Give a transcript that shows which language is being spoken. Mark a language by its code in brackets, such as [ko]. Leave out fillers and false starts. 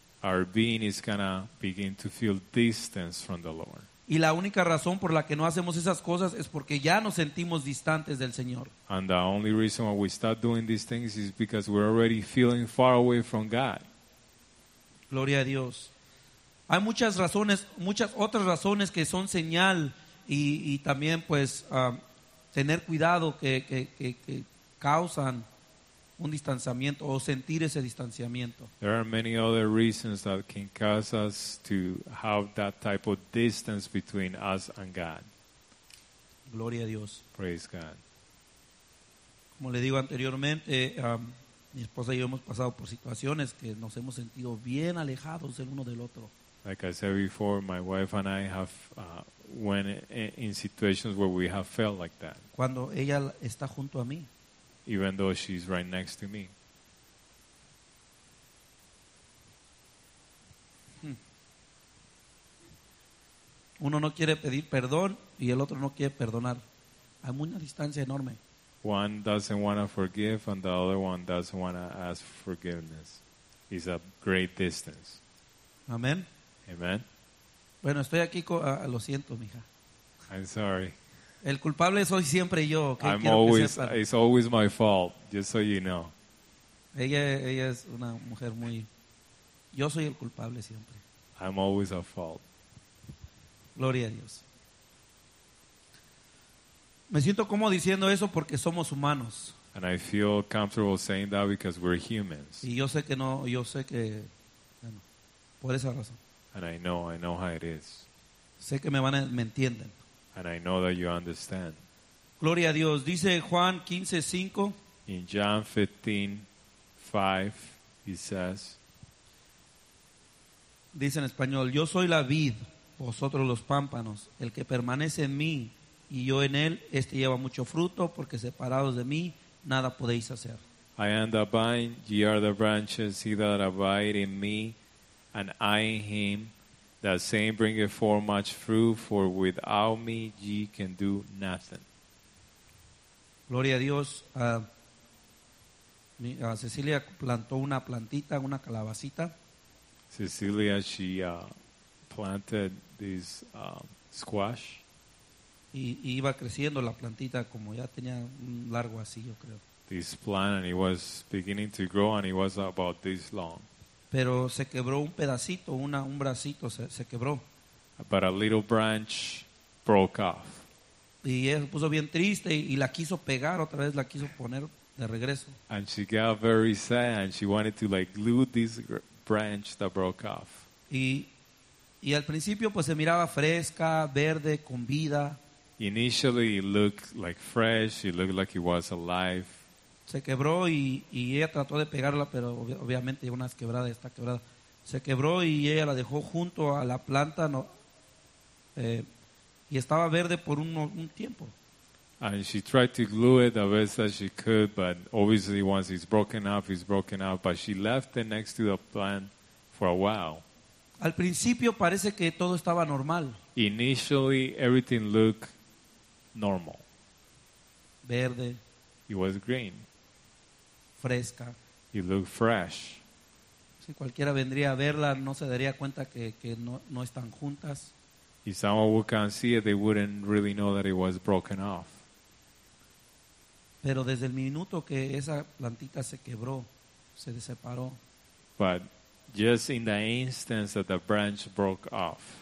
[en] Our being is gonna begin to feel distance from the Lord. [es] Y la única razón por la que no hacemos esas cosas es porque ya nos sentimos distantes del Señor. [en] And the only reason why we stop doing these things is because we're already feeling far away from God. [es] Gloria a Dios. Hay muchas razones, muchas otras razones que son señal y también pues tener cuidado que causan un distanciamiento o sentir ese distanciamiento. [en] There are many other reasons that can cause us to have that type of distance between us and God. [es] Gloria a Dios. [en] Praise God. [es] Como le digo anteriormente, mi esposa y yo hemos pasado por situaciones que nos hemos sentido bien alejados el uno del otro. [en] Like I said before, my wife and I have went in situations where we have felt like that. [es] Cuando ella está junto a mí. [en] Even though she's right next to me. [es] Uno no quiere pedir perdón y el otro no quiere perdonar. Hay una distancia enorme. [en] One doesn't want to forgive and the other one doesn't want to ask forgiveness. It's a great distance. Amen. Amen. [es] Bueno, estoy aquí, lo siento, mija. [en] I'm sorry. [es] El culpable soy siempre yo. Okay? [en] I'm always, it's always my fault, just so you know. [es] Ella es una mujer muy... Yo soy el culpable siempre. [en] I'm always at fault. [es] Gloria a Dios. Me siento como diciendo eso porque somos humanos. [en] And I feel comfortable saying that because we're humans. [es] Y yo sé que no, yo sé que... Bueno, por esa razón. [en] And I know how it is. [es] Sé que me entienden. [en] And I know that you understand. [es] Gloria a Dios. Dice Juan 15:5. [en] In John 15:5, he says. [es] Dice en español, yo soy la vid, vosotros los pámpanos. El que permanece en mí y yo en él, este lleva mucho fruto, porque separados de mí, nada podéis hacer. [en] I am the vine, ye are the branches, he that abide in me, and I in him, the same bringeth forth much fruit, for without me ye can do nothing. [es] Gloria a Dios. Cecilia plantó una plantita, una calabacita. [en] Cecilia, she planted this squash. [es] Y iba creciendo la plantita, como ya tenía un largo así, yo creo. [en] This plant, and it was beginning to grow, and it was about this long. [es] Pero se quebró un pedacito, un bracito, se quebró. [en] But a little branch broke off. [es] Y ella se puso bien triste y la quiso pegar otra vez, la quiso poner de regreso. [en] And she got very sad, and she wanted to like glue this branch that broke off. [es] Y al principio pues se miraba fresca, verde, con vida. [en] Initially it looked like fresh, it looked like it was alive. [es] Se quebró y ella trató de pegarla, pero obviamente una vez quebrada está quebrada. Se quebró y ella la dejó junto a la planta, no, y estaba verde por un tiempo. [en] And she tried to glue it the best that she could, but obviously once it's broken off, it's broken off. But she left it next to the plant for a while. [es] Al principio parece que todo estaba normal. [en] Initially, everything looked normal. [es] Verde. [en] It was green. [es] Fresca. [en] It looked fresh. [es] Si cualquiera vendría a verla, no se daría cuenta que no están juntas. [en] If someone would come see it, they wouldn't really know that it was broken off. [es] Pero desde el minuto que esa plantita se quebró, se separó. [en] But just in the instance that the branch broke off,